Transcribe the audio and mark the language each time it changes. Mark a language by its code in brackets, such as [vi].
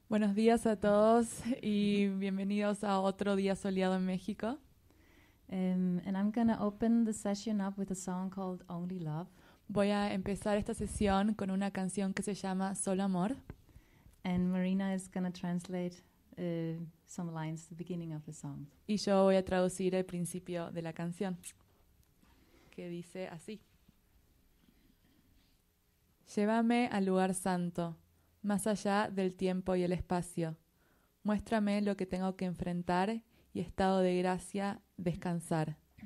[es] Buenos días a todos y bienvenidos a otro día soleado en México. [en] And I'm going to open the session up with a song called Only Love. [es] Voy a empezar esta sesión con una canción que se llama Solo Amor. [en] And Marina is going to translate some lines, the beginning of the song. [es] Y yo voy a traducir el principio de la canción, que dice así. Llévame al lugar santo, más allá del tiempo y el espacio. Muéstrame lo que tengo que enfrentar y estado de gracia, descansar.